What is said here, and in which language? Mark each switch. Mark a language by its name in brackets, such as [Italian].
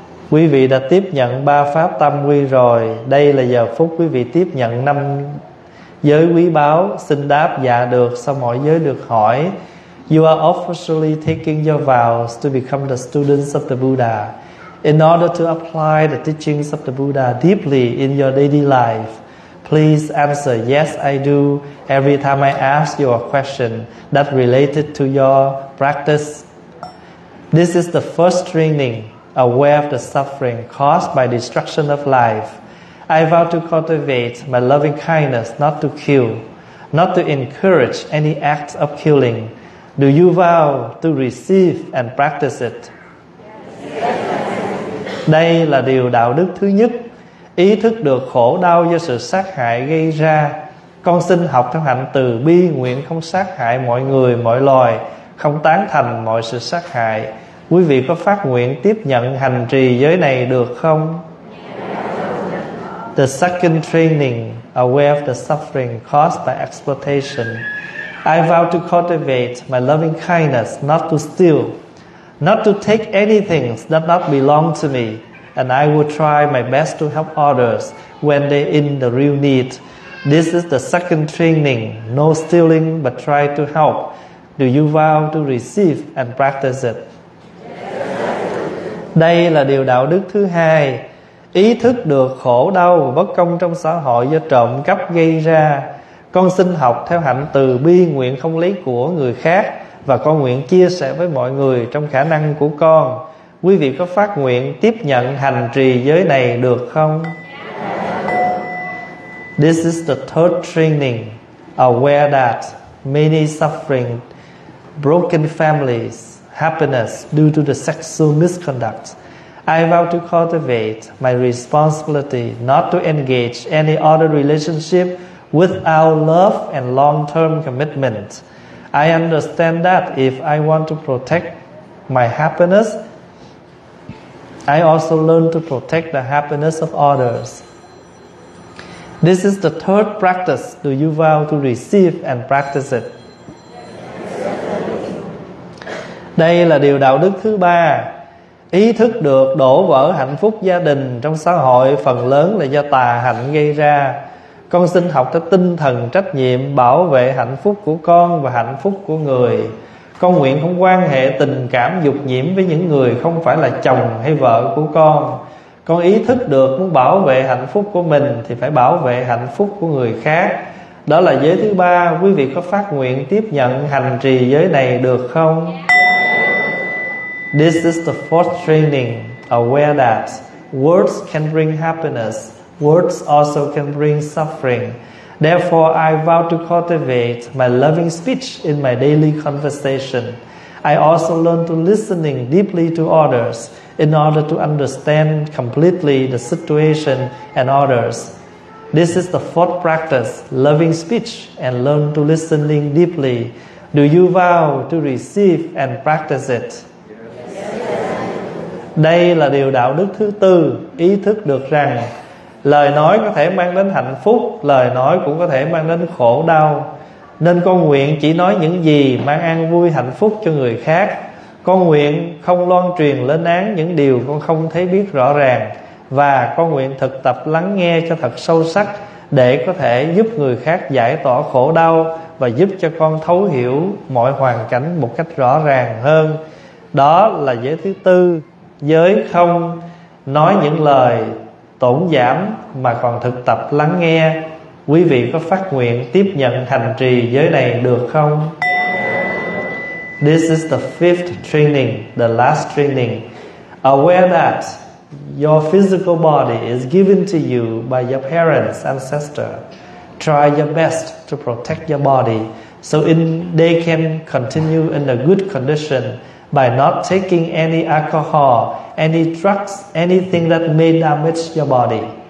[Vietnamese] Quý vị đã tiếp nhận ba pháp tam quy rồi, đây là giờ phút quý vị tiếp nhận năm giới quý báu, xin đáp dạ được sau mỗi giới được hỏi. [English] You are officially taking your vows to become the students of the Buddha. In order to apply the teachings of the Buddha deeply in your daily life, please answer yes I do every time I ask you a question that related to your practice. This is the first training aware of the suffering caused by destruction of life. I vow to cultivate my loving kindness, not to kill, not to encourage any act of killing. Do you vow to receive and practice it? [Vietnamese] Đây là điều đạo đức thứ nhất. Ý thức được khổ đau do sự sát hại gây ra. Con xin học theo hạnh từ bi, nguyện không sát hại mọi người, mọi loài, không tán thành mọi sự sát hại. Quý vị có phát nguyện tiếp nhận hành trì giới này được không? [English] The second training, aware of the suffering caused by exploitation. I vow to cultivate my loving kindness, not to steal, not to take anything that not belong to me, and I will try my best to help others when they in the real need. This is the second training, no stealing but try to help. Do you vow to receive and practice it? [Vietnamese] Đây là điều đạo đức thứ hai. Ý thức được khổ đau và bất công trong xã hội do trộm cắp gây ra. Con xin học theo hạnh từ bi, nguyện không lấy của người khác, và con nguyện chia sẻ với mọi người trong khả năng của con. Quý vị có phát nguyện tiếp nhận hành trì giới này được không? [English] This is the third training, aware that many suffering, broken families, happiness due to the sexual misconduct. I vow to cultivate my responsibility not to engage any other relationship without love and long-term commitment. I understand that if I want to protect my happiness, I also learn to protect the happiness of others. This is the third practice. Do you vow to receive and practice it? [Vietnamese] Đây là điều đạo đức thứ ba. Ý thức được đổ vỡ hạnh phúc gia đình trong xã hội phần lớn là do tà hạnh gây ra. Con xin học theo tinh thần trách nhiệm bảo vệ hạnh phúc của con và hạnh phúc của người. Con nguyện không quan hệ tình cảm dục nhiễm với những người không phải là chồng hay vợ của con. Con ý thức được muốn bảo vệ hạnh phúc của mình thì phải bảo vệ hạnh phúc của người khác. Đó là giới thứ ba. Quý vị có phát nguyện tiếp nhận hành trì giới này được không? [English] This is the fourth training, aware that words can bring happiness, words also can bring suffering. Therefore, I vow to cultivate my loving speech in my daily conversation. I also learn to listening deeply to others in order to understand completely the situation and others. This is the fourth practice, loving speech, and learn to listening deeply. Do you vow to receive and practice it? [Vietnamese] Đây là điều đạo đức thứ tư, ý thức được rằng lời nói có thể mang đến hạnh phúc, lời nói cũng có thể mang đến khổ đau. Nên con nguyện chỉ nói những gì mang an vui hạnh phúc cho người khác. Con nguyện không loan truyền lên án những điều con không thấy biết rõ ràng. Và con nguyện thực tập lắng nghe cho thật sâu sắc để có thể giúp người khác giải tỏa khổ đau và giúp cho con thấu hiểu mọi hoàn cảnh một cách rõ ràng hơn. Đó là giới thứ tư, giới không nói những lời tổn giảm mà còn thực tập lắng nghe. Quý vị có phát nguyện tiếp nhận hành trì giới này được không? [English] This is the fifth training, the last training. Aware that your physical body is given to you by your parents, ancestor. Try your best to protect your body so they can continue in a good condition by not taking any alcohol, any drugs, anything that may damage your body.